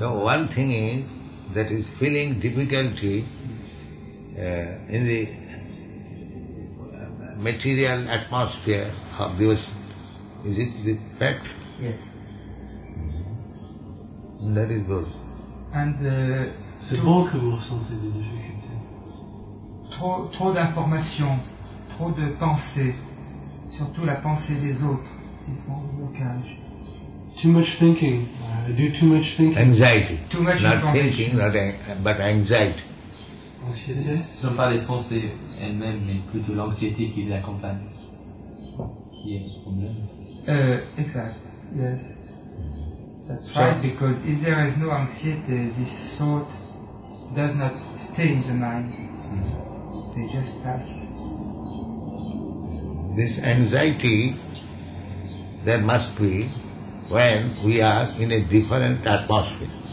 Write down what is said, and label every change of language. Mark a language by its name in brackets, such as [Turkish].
[English] No, one thing is that he's feeling difficulty in the material atmosphere of this. Is it the fact? Yes. And that is good. And the bulk of all sorts of difficulty. [French] Trop d'informations, trop de pensées, surtout la pensée des autres, qui font blocage. [English] Too much thinking. I do too much thinking. Anxiety. Too much not thinking, not but anxiety. [French] Ce ne sont pas les pensées elles-mêmes, mais plutôt l'anxiété qui les accompagne. Qui est le problème. [English] Exact. Yes. That's so, right, because if there is no anxiety, this thought does not stay in the mind. They just pass. This anxiety there must be when we are in a different atmosphere.